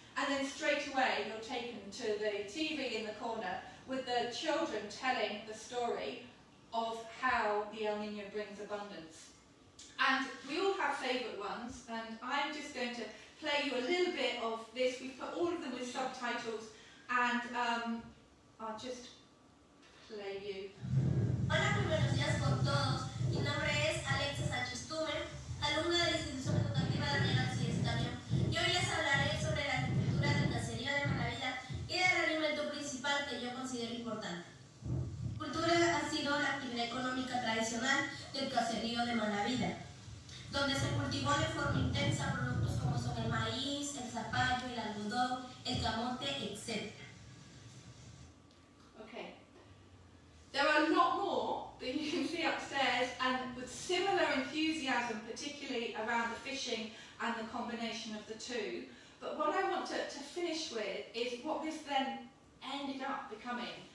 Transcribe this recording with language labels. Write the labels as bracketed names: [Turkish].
[English] And then straight away, you're taken to the TV in the corner with the children telling the story of how the El Niño brings abundance. And we all have favourite ones, and I'm just going to play you a little bit of this. We've put all of them with subtitles, and I'll just play you. [Spanish] Hola, primeros días con todos. Mi nombre es Alexis Sánchez Tumer, alumna de la Institución Educativa de Riego y Estaño. Y hoy les hablaré sobre la agricultura del caserío de Maravilla y del alimento principal que yo considero importante. La cultura ha sido la actividad económica tradicional del caserío de Maravilla, donde se cultivó de forma intensa productos como son el maíz, el zapallo, el algodón, el camote, etc. [English] There are a lot more that you can see upstairs, and with similar enthusiasm, particularly around the fishing and the combination of the two. But what I want to finish with is what this then ended up becoming,